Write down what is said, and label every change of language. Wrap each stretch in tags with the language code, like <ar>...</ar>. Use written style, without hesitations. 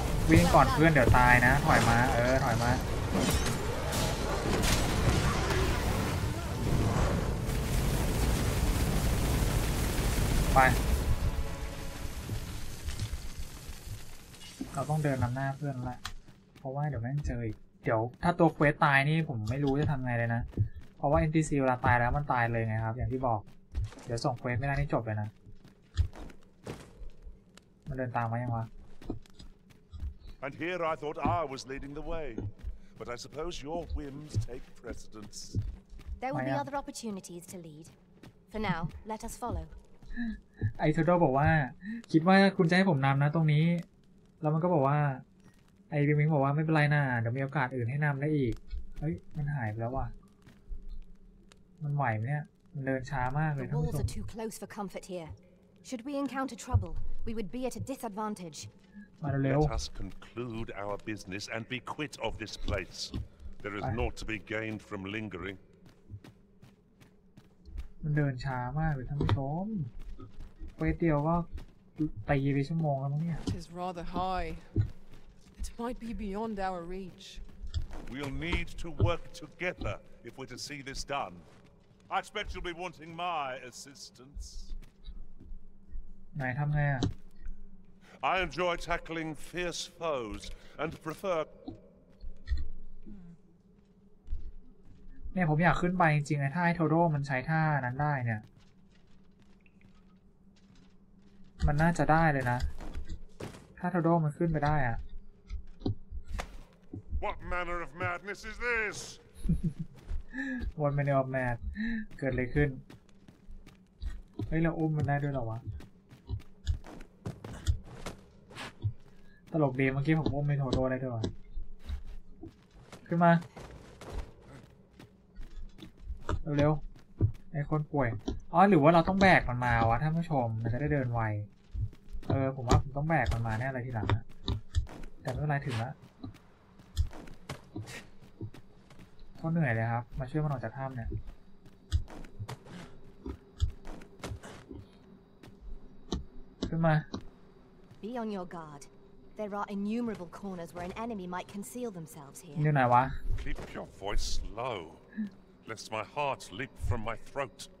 <th>วิ่งก่อนเพื่อนเดี๋ยวตายนะถอยมาไปเราต้องเดินนำหน้าเพื่อนละเพราะว่าเดี๋ยวแม่งเจออีกเดี๋ยวถ้าตัวเควสตายนี่ผมไม่รู้จะทำไงเลยนะเพราะว่า NPC เวลาตายแล้วมันตายเลยไงครับอย่างที่บอกเดี๋ยวส่งเควสไม่ได้นี่จบเลยนะมันเดินตามมายังวะ</th> <en>And here I thought I was leading the way, but I suppose your whims take precedence. There will be other opportunities to lead. For now, let us follow.</en> <th>ไอ้ทอร์โดบอกว่าคิดว่าคุณจะให้ผมนำนะตรงนี้แล้วมันก็บอกว่าไอ้บิ๊กมิงบอกว่าไม่เป็นไรนะเดี๋ยวมีโอกาสอื่นให้นำได้อีกเฮ้ยมันหายไปแล้วว่ะมันไหวไหมเนี่ยมันเดินช้ามากเลยทั้งหมด</th> <en>The walls are too close for comfort here. Should we encounter trouble, we would be at a disadvantage. Let us conclude our business and be quit of this place. There is naught to be gained from lingering.</en> <th>มันเดินช้ามากเลยท่านผู้ชมเควสเดียวก็ตีไปชั่วโมงแล้วเนี่ย</th> <en>It is rather high. It might be beyond our reach. We'll need to work together if we're to see this done. I expect you'll be wanting my assistance.</en> <th>ไหนทำไงอ่ะ</th> <en>I enjoy tackling fierce foes and prefer.</en> <th>เนี่ยผมอยากขึ้นไปจริงๆนะถ้าไอ้โทโร่มันใช้ท่านั้นได้เนี่ยมันน่าจะได้เลยนะถ้าโทโร่มันขึ้นไปได้อะ</th> <en>What manner of madness is this? What manner of mad?</en> <th>เกิดอะไรขึ้นเฮ้ยเราอุ้มมันได้ด้วยหรอวะตลกดีเมื่อกี้ผมอุ้มไม่โทรโดนเลยด้วยขึ้นมา เร็วๆไอ้คนป่วยอ๋อหรือว่าเราต้องแบกมันมาวะท่านผู้ชมมันจะได้เดินไวเออผมว่าผมต้องแบกมันมาแน่เลยทีหลังนะแต่เมื่อไรถึงละก็เหนื่อยเลยครับมาช่วยมันออกจากถ้ำเนี่ยขึ้นมา</th> <en>Be on your guardThere are innumerable corners where an enemy might conceal themselves here.</en> <th>นี่ไหนวะ</th> <en>Keep your voice low, lest my heart leap from my throat.</en>